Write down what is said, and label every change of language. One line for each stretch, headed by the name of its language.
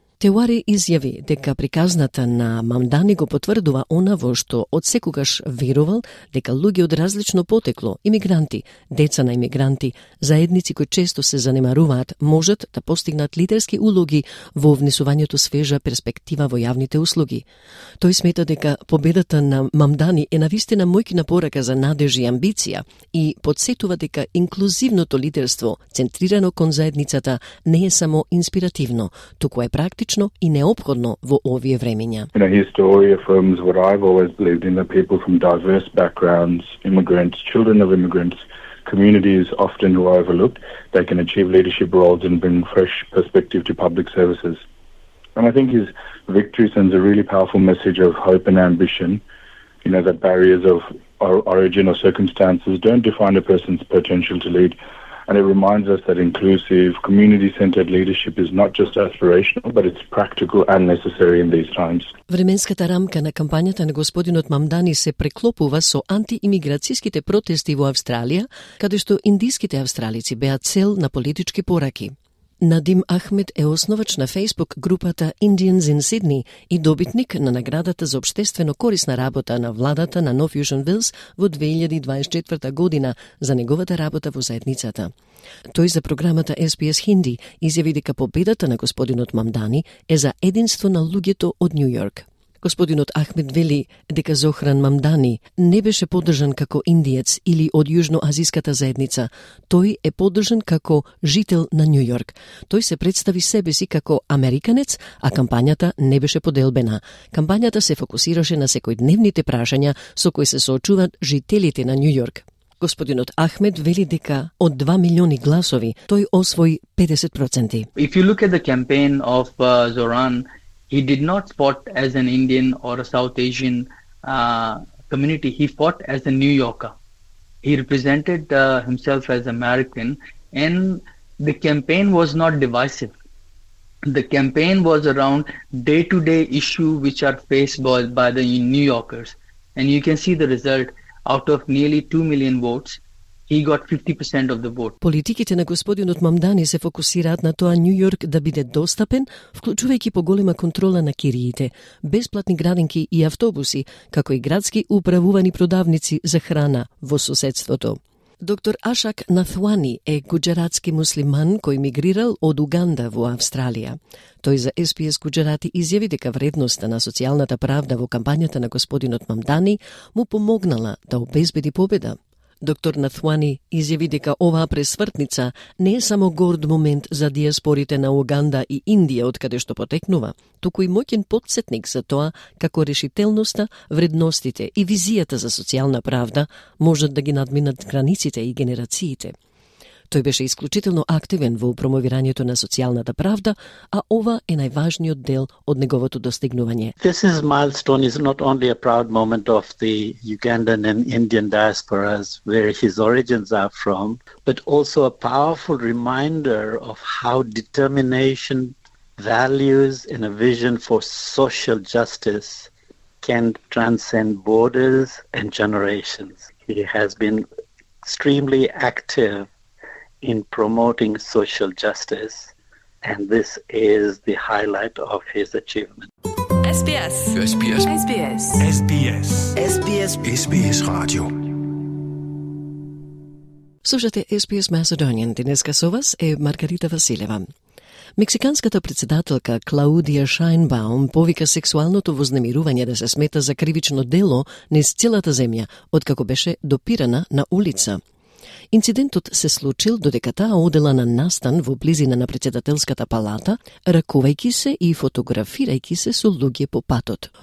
Macedonian: Тевари изјави дека приказната на Мамдани го потврдува она во што од секогаш верувал дека луѓе од различно потекло, имигранти, деца на имигранти, заедници кои често се занемаруваат, можат да постигнат лидерски улоги во внесувањето свежа перспектива во јавните услуги. Тој смета дека победата на Мамдани е навистина мојкина порака за надеж и амбиција и подсетува дека инклузивното лидерство, центрирано кон заедницата, не е само инспиративно, туку е практично и неопходно во овие времења.
English: You know, his story affirms what I've always believed in, that people from diverse backgrounds, immigrants, children of immigrants, communities often who are overlooked, they can achieve leadership roles and bring fresh perspective to public services. And I think his victory sends a really powerful message of hope and ambition, you know, that barriers of origin or circumstances don't define a person's potential to lead. And it reminds us that inclusive, community-centered leadership is not just aspirational, but it's practical and necessary in these times.
Macedonian: Временската рамка на кампањата на господинот Мамдани се преклопува со антиимиграцијските протести во Австралија, каде што индиските австралици беа цел на политички пораки. Надим Ахмед е основач на Facebook групата Indians in Sydney и добитник на наградата за обштествено корисна работа на владата на Нов Южен Велс во 2024 година за неговата работа во заедницата. Тој за програмата SBS Hindi изјави дека победата на господинот Мамдани е за единство на луѓето од Нью Йорк. Господинот Ахмед вели дека Зохран Мамдани не беше поддржан како индиец или од јужноазиската заедница. Тој е поддржан како жител на Нью Йорк. Тој се представи себе си како американец, а кампањата не беше поделбена. Кампањата се фокусираше на секојдневните прашања со кои се соочуваат жителите на Нью Йорк. Господинот Ахмед вели дека од 2 милиони гласови тој освои 50%.
English: If you look at the campaign of Zoran, he did not spot as an Indian or a South Asian community. He fought as a New Yorker. He represented himself as American, and the campaign was not divisive. The campaign was around day-to-day issue which are faced by the New Yorkers. And you can see the result. Out of nearly 2 million votes, he got 50% of the vote.
Macedonian: Политиките на господинот Мамдани се фокусираат на тоа Нью Йорк да биде достапен, вклучувајќи поголема контрола на киријите, бесплатни градинки и автобуси, како и градски управувани продавници за храна во соседството. Доктор Ашак Натхвани е гуджератски муслиман кој мигрирал од Уганда во Австралија. Тој за SPS Гуджерати изјави дека вредноста на социјалната правда во кампањата на господинот Мамдани му помогнала да обезбеди победа. Доктор Натхвани изјави дека оваа пресвртница не е само горд момент за диаспорите на Уганда и Индија од каде што потекнува, туку и моќен подсетник за тоа како решителноста, вредностите и визијата за социјална правда можат да ги надминат границите и генерациите. Тој беше исклучително активен во промовирањето на социјалната правда, а ова е најважниот дел од неговото достигнување.
English: This is milestone is not only a proud moment of the Ugandan and Indian diasporas where his origins are from, but also a powerful reminder of how determination, values and a vision for social justice can transcend borders and generations. He has been extremely active in promoting social justice, and this is the highlight of his achievement. SBS. SBS. SBS. SBS. SBS. SBS Radio.
Macedonian: Слушате SBS Macedonian. Денеска со вас е Маргарита Василева. Мексиканската председателка Клаудија Шајнбаум повика сексуалното вознемирување да се смета за кривично дело низ целата земја, откако беше допирана на улица. Инцидентот се случил додека таа одела на настан во близина на председателската палата, ракувајќи се и фотографирајќи се со луѓе по патот.